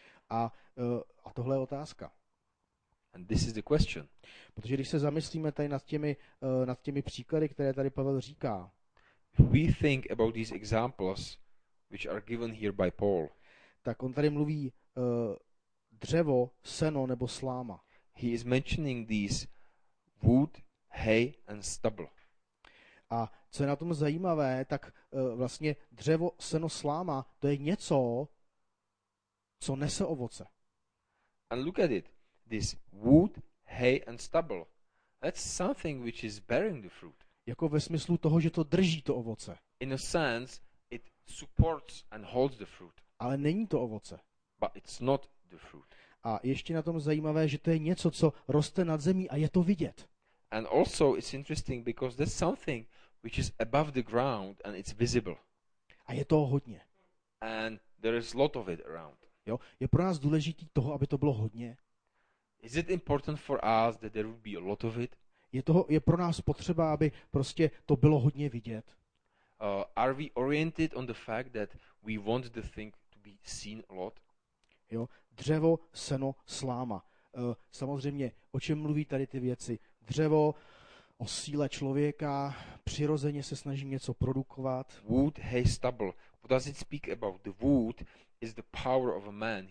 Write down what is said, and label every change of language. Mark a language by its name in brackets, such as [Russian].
[Czech] A tohle je otázka. [English] And this is the question. [Czech] Protože když se zamyslíme tady nad těmi příklady, které tady Pavel říká. [English] If we think about these examples which are given here by Paul. [Czech] Tak on tady mluví dřevo, seno nebo sláma. [English] He is mentioning these wood, hay and stubble. [Czech] A co je na tom zajímavé, tak vlastně dřevo, seno, sláma, to je něco, co nese ovoce. [English] And look at it. This wood, hay and stubble. That's something which is bearing the fruit. [Czech] Jako ve smyslu toho, že to drží to ovoce. [English] In a sense, it supports and holds the fruit. [Czech] Ale není to ovoce. [English] But it's not the fruit. [Czech] A ještě na tom zajímavé, že to je něco, co roste nad zemí a je to vidět. [English] And also it's interesting because there's something which is above the ground and it's visible. [Czech] A je toho hodně. [English] And there is a lot of it around. [Czech] Jo, je pro nás důležitý toho, aby to bylo hodně. [English] Is it important for us that there would be a lot of it? [Czech] Je toho, je pro nás potřeba, aby prostě to bylo hodně vidět. [English] Are we oriented on the fact that we want the thing to be seen a lot? [Czech] Jo, dřevo, seno, sláma. Samozřejmě, o čem mluví tady ty věci? Dřevo o síle člověka, přirozeně se snaží něco produkovat. [English] Wood, hay, stubble. What does it speak about? The wood is the power of a man.